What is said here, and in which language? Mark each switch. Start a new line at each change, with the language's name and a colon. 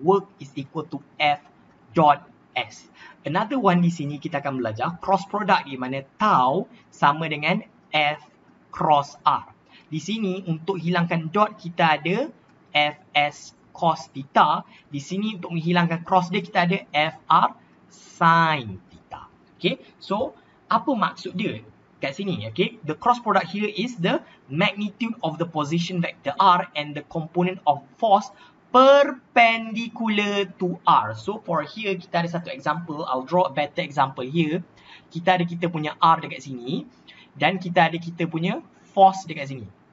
English: Work is equal to F dot S. Another one
Malay: di sini kita akan belajar cross product di mana tau sama dengan
English: F cross R.
Malay: Di sini untuk hilangkan dot kita ada FS cos theta. Di sini untuk menghilangkan cross dia kita ada FR sin theta. Okay, so apa maksud dia kat sini?
English: Okay, the cross product here is the magnitude of the position vector R and the component of force perpendicular to R. So for here
Malay: kita ada satu
English: example. I'll draw a better example here.
Malay: Kita ada kita punya R dekat sini dan kita ada kita punya force dekat sini.